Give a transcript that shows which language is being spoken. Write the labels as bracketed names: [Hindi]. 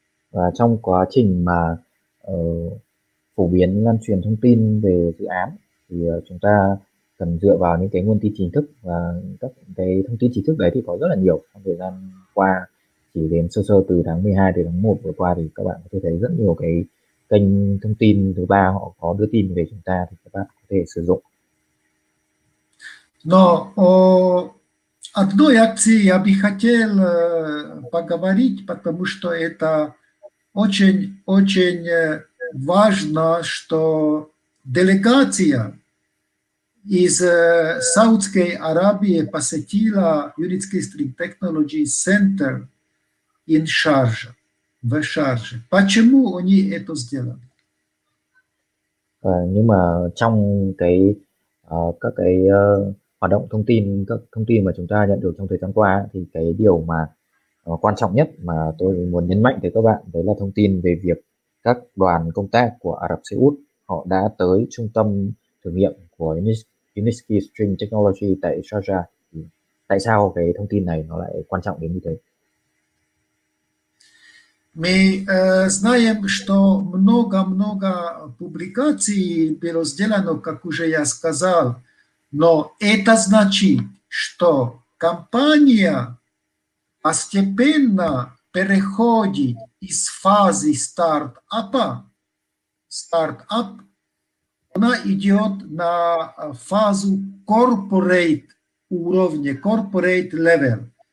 [Vietnamese] Và trong quá trình mà phổ biến lan truyền thông tin về dự án thì chúng ta cần dựa vào những cái nguồn tin chính thức, và các cái thông tin chính thức đấy thì có rất là nhiều. Trong thời gian qua, chỉ đến sơ sơ từ tháng 12 đến tháng 1 vừa qua, thì các bạn có thể thấy rất nhiều cái kênh thông tin thứ ba họ có đưa tin về chúng ta, thì các bạn có thể sử dụng. [Russian] Но одной акции я бы хотел поговорить, потому что это очень-очень важно, что делегация из Саудской Аравии посетила Unitsky String Technologies Center in Sharjah, в Шарже. Почему они это сделали? [Vietnamese] Nhưng mà trong cái các cái hoạt động thông tin, các thông tin mà chúng ta nhận được trong thời gian qua, thì cái điều mà quan trọng nhất mà tôi muốn nhấn mạnh tới các bạn, đấy là thông tin về việc các đoàn công tác của Ả Rập Xê Út họ đã tới trung tâm thử nghiệm của Unitsky String Technology tại Sharjah. Tại sao cái thông tin này nó lại quan trọng đến như thế? [Russian] Мы знаем, что много-много публикаций было сделано, как уже я сказал, но это значит, что компания постепенно переходит из фазы стартапа, стартап, она идет на фазу corporate уровня, [English] corporate level.